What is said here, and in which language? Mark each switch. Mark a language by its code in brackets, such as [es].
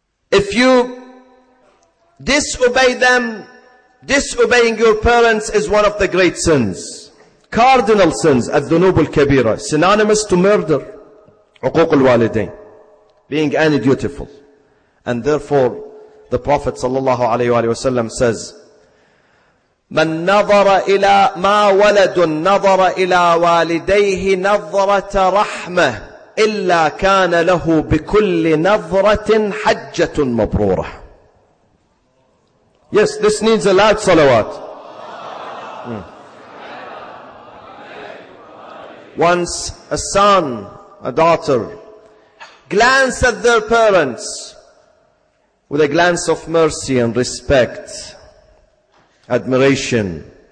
[en] If you disobey them, disobeying your parents is one of the great sins. Cardinal sins, [ar] الذنوب الكبيرة, [en] synonymous to murder, [ar] عقوق الوالدين, [en] being undutiful. And therefore, the Prophet [ar] صلى الله عليه وسلم says, من نظر إلى ما ولد نظر إلى والديه نظرة رحمة إلا كان له بكل نظرة حجة مبرورة. [en] Yes, this needs a loud salawat. Once a son, a daughter, glance at their parents with a glance of mercy and respect, admiration.